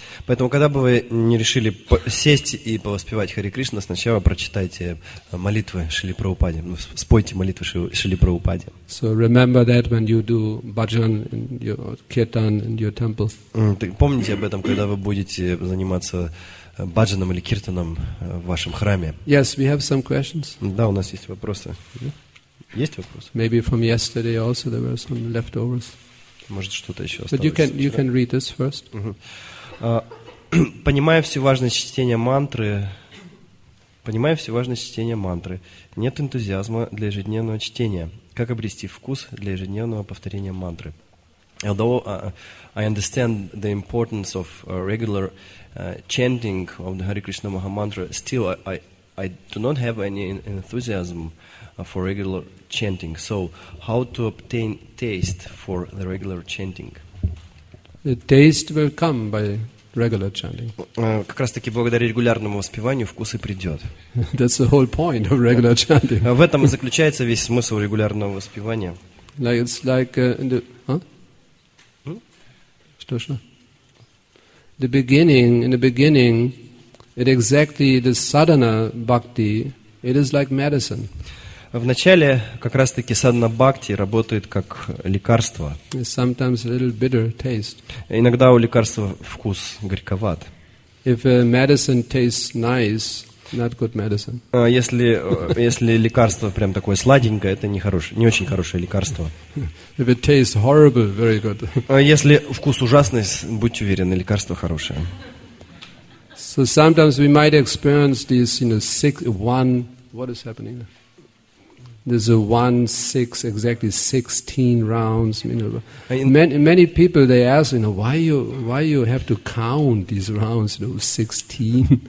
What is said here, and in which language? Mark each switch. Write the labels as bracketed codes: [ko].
[ru] Поэтому, когда бы вы не решили сесть и повоспевать Харе Кришна, сначала прочитайте молитвы Шриле Прабхупаде, спойте молитвы Шриле Прабхупаде. [en] So remember that when you do bhajan in your kirtan in your temple. [ru] Помните об этом, когда вы будете заниматься бхаджаном или киртаном в вашем храме. [en] Yes, we have some questions. [ru] Да, у нас есть вопросы. Yeah. Есть вопросы? [en] Maybe from yesterday also there were some leftovers. [ru] Может, что-то еще [en] But [ru] осталось. [en] You can read this first. [ru] Понимая всю важность чтения мантры, нет энтузиазма для ежедневного чтения. Как обрести вкус для ежедневного повторения мантры? [en] Although I understand the importance of regular chanting of the Hare Krishna Maha Mantra, still I do not have any enthusiasm for regular chanting. So how to obtain taste for the regular chanting? The taste will come by regular chanting. [ru] Как раз таки благодаря регулярному воспеванию вкус и придет. [en] That's the whole point of regular chanting. [ru] В этом и заключается весь смысл регулярного воспевания. [en] Like it's like in the [ru] Что что? [en] In the beginning, it exactly the sadhana bhakti. It is like medicine. [ru] В начале как раз таки садхана бхакти работает как лекарство. [en] Sometimes a little bitter taste. [ru] Иногда у лекарства вкус горьковат. [en] If a medicine tastes nice, not good medicine. [ru] Если лекарство прям такое сладенькое, это не очень хорошее лекарство. [en] If it tastes horrible, very good. [ru] Если вкус ужасный, будьте уверены, лекарство хорошее. [en] So sometimes we might experience this, you know, sick one. What is happening? There's a 1-6, exactly 16 rounds. Many people, they ask, you know, why you have to count these rounds, you know, 16?